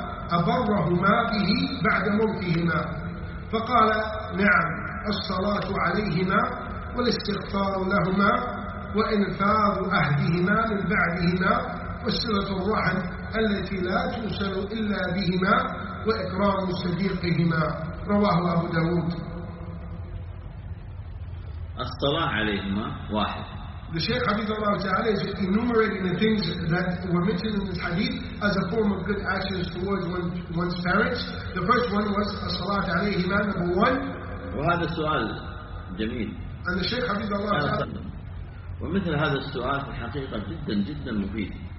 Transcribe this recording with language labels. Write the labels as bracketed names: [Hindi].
[Arabic] أبرهما به بعد موتهما فقال نعم الصلاة عليهما والاستغفار لهما وإنفاذ أهدهما من بعدهما وصلة الرحم التي لا توصل إلا بهما وإكرام صديقهما رواه أبو داود. الصلاة عليهما واحد. [English] The Shaykh Hafidh Allah Ta'ala is enumerating the things that were mentioned in this hadith as a form of good actions towards one's parents. The first one was As-salat alayhima, number one. [Arabic] وهذا سؤال جميل. [English] And the Shaykh Hafidh Allah Ta'ala. [Arabic] ومثل هذا السؤال في حقيقة جدا جدا مفيد.